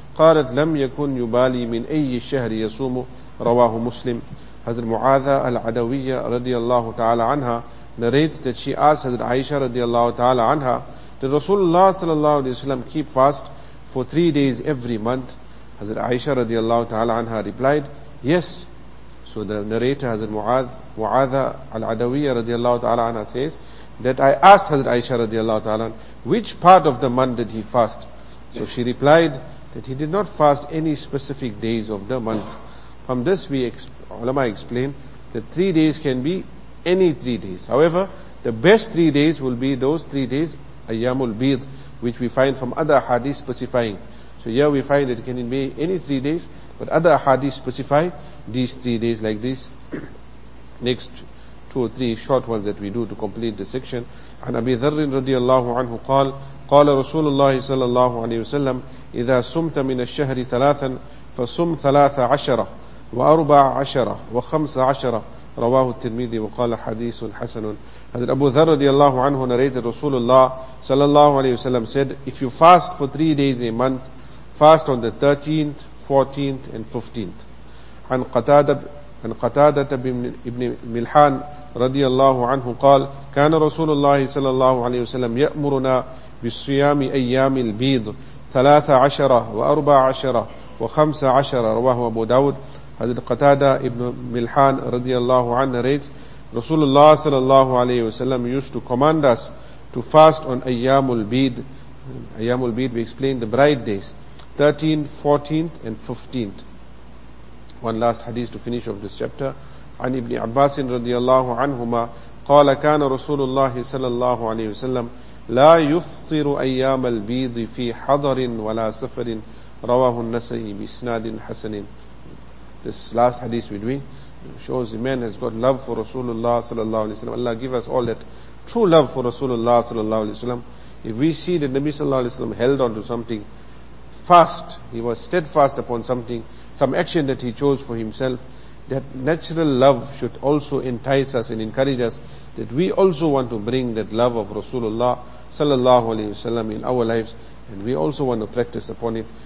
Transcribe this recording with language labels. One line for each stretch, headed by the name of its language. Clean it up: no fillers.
Arabic: قالت لم يكن يبالي من أي شهر يصوم رواه مسلم.
English: حضرت معاذة العدوية رضي الله تعالى عنها narrates that she asked حضرت عائشة رضي الله تعالى عنها, did Rasulullah صلى الله عليه وسلم keep fast for 3 days every month? حضرت عائشة رضي الله تعالى عنها replied, yes. So the narrator حضرت معاذة العدوية رضي الله تعالى عنها says that I asked حضرت عائشة رضي الله تعالى عنها, which part of the month did he fast? So she replied that he did not fast any specific days of the month. From this, ulama explained that 3 days can be any 3 days. However, the best 3 days will be those 3 days, Ayyamul Bid, which we find from other hadith specifying. So here we find that it can be any 3 days, but other hadith specify these 3 days like this. Next two or three short ones that we do to complete the section.
Arabic: An Abi Dharrin radiallahu anhu qala Rasulullah sallallahu alayhi wa sallam, إذا سمت من الشهر ثلاثا فسم 13 و14 و15 رواه الترمذي وقال حديث حسن.
English: حضرت أبو ذر رضي الله عنه narrated رسول الله صلى الله عليه وسلم said, if you fast for 3 days a month, fast on the 13th, 14th and 15th.
Arabic: عن قتادة ابن ملحان رضي الله عنه قال كان رسول الله صلى الله عليه وسلم يأمرنا بالصيام أيام البيض 13 و14 و15 رواه أبو داود.
English: حضرت قتادة ابن ملحان رضي الله عنه narrates رسول الله صلى الله عليه وسلم used to command us to fast on أيام البيض. أيام البيض, we explained the bright days, 13th, 14th and 15th. One last hadith to finish off this chapter.
Arabic: عن ابن عباس رضي الله عنهما قال كان رسول الله صلى الله عليه وسلم لا يفطر أيام البيض في حضر ولا سفر رواه النسائي بإسناد حسن.
English: This last hadith we're doing shows the man has got love for Rasulullah sallallahu alayhi wa sallam. Allah give us all that true love for Rasulullah sallallahu alayhi wa sallam. If we see that Nabi sallallahu alayhi wa sallam held on to something, fast, he was steadfast upon something, some action that he chose for himself, that natural love should also entice us and encourage us that we also want to bring that love of Rasulullah sallallahu alayhi wa sallam in our lives, and we also want to practice upon it.